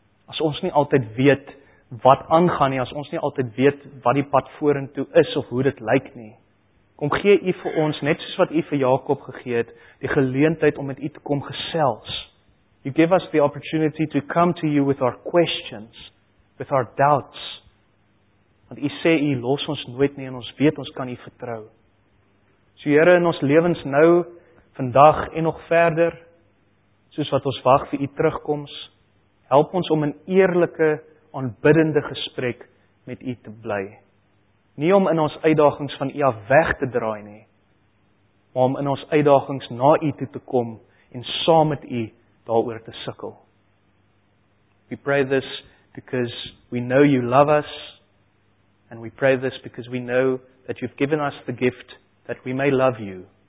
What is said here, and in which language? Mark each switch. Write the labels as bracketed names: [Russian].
[Afrikaans] As ons nie altyd weet wat aangaan nie, as ons nie altyd weet wat die pad vorentoe is of hoe dit lyk nie. Kom gee u vir ons, net soos wat u vir Jakob gegee het, die geleentheid om met u te kom gesels. [English] You give us the opportunity to come to you with our questions, with our doubts. [Afrikaans] Want u sê u los ons nooit nie en ons weet ons kan u vertrou. So Here, in ons lewens nou, vandag en nog verder, soos wat ons wag vir u terugkoms, help ons om in eerlike, aanbiddende gesprek met u te bly. Nie om in ons uitdagings van u af weg te draai nie, maar om in ons uitdagings na u toe te kom en saam met u daaroor te sukkel. [English] We pray this because we know you love us, and we pray this because we know that you've given us the gift that we may love you.